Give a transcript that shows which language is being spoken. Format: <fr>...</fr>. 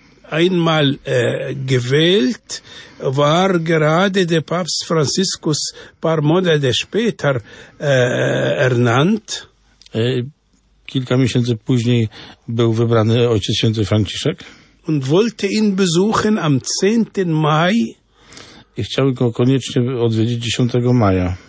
<de>Einmal gewählt war gerade der Papst Franziskus paar Monate später ernannt.</de> <pl>Kilka miesięcy później był wybrany ojciec święty Franciszek.</pl> <de>Und wollte ihn besuchen am 10. Mai.</de> <pl>I chciał go koniecznie odwiedzić 10 maja.</pl>